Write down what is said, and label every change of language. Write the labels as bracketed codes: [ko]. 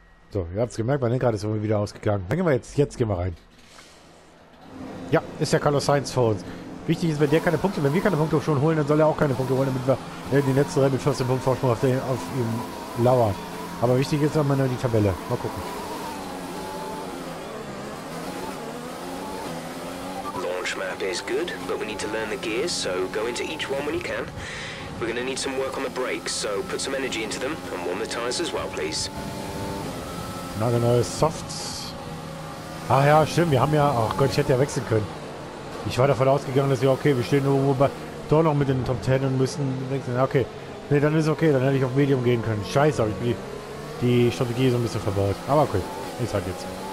[de] So, ihr habt es gemerkt, mein Lenkrad ist immer wieder ausgegangen. Dann gehen wir jetzt gehen wir rein. Ja, ist ja Carlos Sainz vor uns. Wichtig ist, wenn wir keine Punkte schon holen, dann soll er auch keine Punkte holen, damit wir in den letzten Rennen mit 14 Punkten Vorsprung auf ihm lauern. Aber wichtig ist auch mal nur die Tabelle. Mal gucken. [en] Launch map is good, but we need to learn the gears, so go into each one when you can. We're gonna need some work on the brakes, so put some energy into them and warm the tires as well, please. [de] Na genau, Softs. Ah ja, stimmt, wir haben ja. Ach Gott, ich hätte ja wechseln können. Ich war davon ausgegangen, dass wir okay, wir stehen irgendwo bei doch noch mit den Top 10 und müssen wechseln. Okay. Ne, dann ist okay, dann hätte ich auf Medium gehen können. Scheiße, aber ich bin die Strategie so ein bisschen verbaut. Aber okay, ist halt jetzt.